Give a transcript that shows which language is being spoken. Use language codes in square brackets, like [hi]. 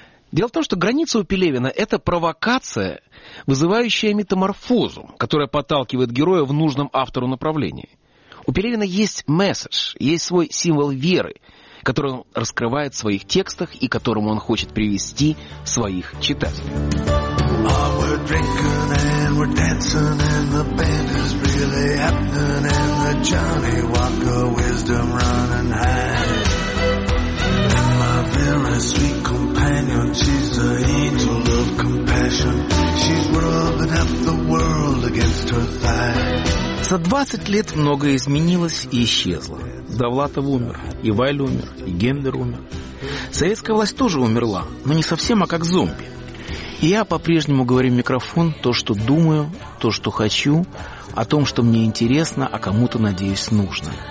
[ru] Дело в том, что граница у Пелевина – это провокация, вызывающая метаморфозу, которая подталкивает героя в нужном автору направлении. У Пелевина есть месседж, есть свой символ веры, который он раскрывает в своих текстах и которому он хочет привести своих читателей. [en] Drinking and we're dancing and the band is really happening and the Johnny Walker wisdom running high. And my very sweet companion, she's the angel of compassion. She's rubbing up the world against her thigh. [ru] За 20 лет многое изменилось и исчезло. Довлатов умер, и Вайль умер, и Гендер умер. Советская власть тоже умерла, но не совсем, а как зомби. Я по-прежнему говорю в микрофон то, что думаю, то, что хочу, о том, что мне интересно, а кому-то, надеюсь, нужно.